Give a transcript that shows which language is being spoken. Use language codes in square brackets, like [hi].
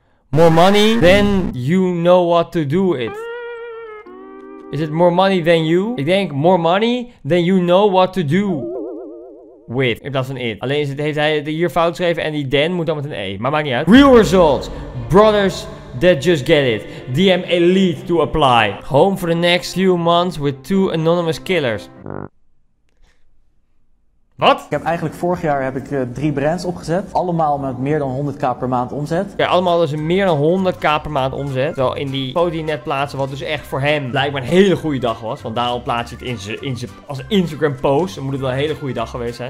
[en] More money than you know what to do it. Is it more money than you? [nl] Ik denk [en] more money than you know what to do with. [nl] In plaats van it. Alleen heeft hij hier fout geschreven en die den moet dan met een E. Maar maakt niet uit. [en] Real results. Brothers that just get it. DM Elite to apply. Home for the next few months with two anonymous killers. [nl] Wat? Ik heb eigenlijk vorig jaar heb ik 3 brands opgezet. Allemaal met meer dan 100k per maand omzet. Ja, allemaal dus meer dan 100k per maand omzet. Terwijl in die foto die net plaatsen, wat dus echt voor hem blijkbaar een hele goede dag was. Want daarom plaats je het als Instagram post. Dan moet het wel een hele goede dag geweest zijn.